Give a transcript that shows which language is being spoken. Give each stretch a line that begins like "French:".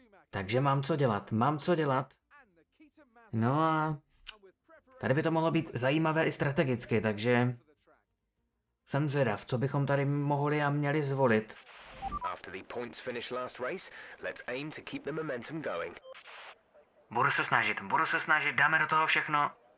Czech: Takže mám co dělat, mám co dělat. No a tady by to mohlo být zajímavé i strategicky, takže jsem zvědav, co bychom tady mohli a měli zvolit.
English: After the points finish last race, let's aim to keep the momentum going.
Czech: Budu se snažit, dáme do toho všechno.